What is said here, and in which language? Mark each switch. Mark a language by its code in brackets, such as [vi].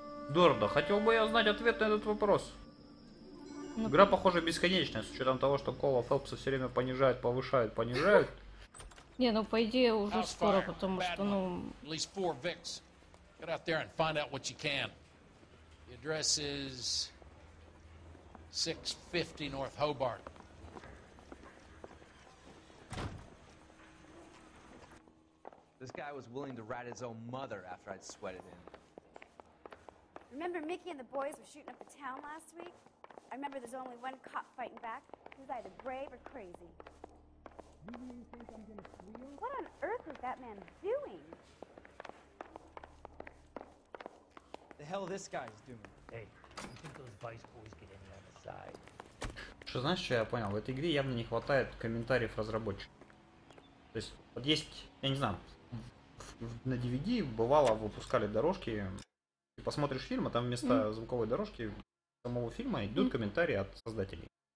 [ru] Дордо, хотел бы я знать ответ на этот вопрос. Ну, игра, похоже, бесконечная, с учетом того, что Кола Фелпса все время понижают, повышают, понижают. Не, ну по идее уже скоро, потому что, ну... [en] At least four Vicks. Get out there and find out what you can. The address is 650 North Hobart. This guy was willing to rat his own mother after I'd sweated him. Remember Mickey and the boys were shooting up the town last week? I remember there's only one cop fighting back. He's either brave or crazy. You really think I'm gonna squeal? What on earth is that man doing? The hell this guy's doing? Hey, you think those vice boys get any other side? [ru] Что, знаешь, что я понял? В этой игре явно не хватает комментариев разработчиков. То есть, вот есть, я не знаю, на DVD бывало выпускали дорожки. Ты посмотришь фильм, а там вместо звуковой дорожки самого фильма идут комментарии от создателей.